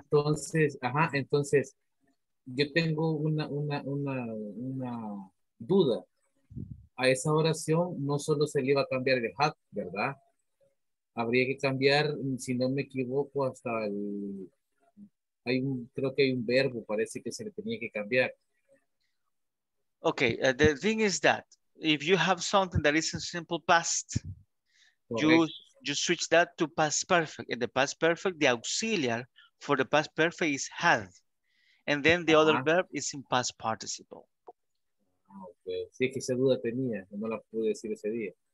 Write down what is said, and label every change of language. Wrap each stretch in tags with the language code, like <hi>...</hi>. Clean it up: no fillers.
<es>Entonces ajá, entonces yo tengo una duda, a esa oración no solo se le iba a cambiar el have, ¿verdad? Habría que cambiar, si no me equivoco, hasta el hay un, creo que hay un verbo, parece que se le tenía que cambiar.</es> <en>Okay, the thing is that if you have something that is in simple past, you switch that to past perfect. In the past perfect, the auxiliary for the past perfect is had. And then the other verb is in past participle.</en> <es>Okay. Sí, que esa duda tenía. No la pude decir ese día.</es>